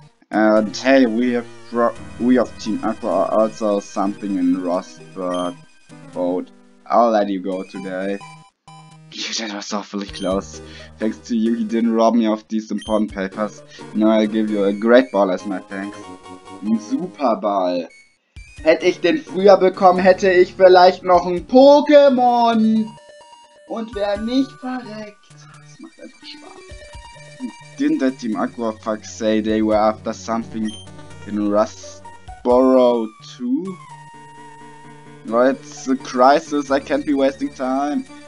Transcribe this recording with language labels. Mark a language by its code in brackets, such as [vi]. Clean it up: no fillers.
[en] And hey, we of Team Aqua are also something in Rossburg boat. I'll let you go today. That was awfully close. Thanks to you, he didn't rob me of these important papers. Now I'll give you a great ball as my thanks. [de] Ein Superball. Hätte ich den früher bekommen, hätte ich vielleicht noch ein Pokémon. Und wäre nicht verreckt. Das macht einfach Spaß. [en] Didn't that Team Aqua Fox say they were after something in Rustboro too? Well, it's a crisis, I can't be wasting time.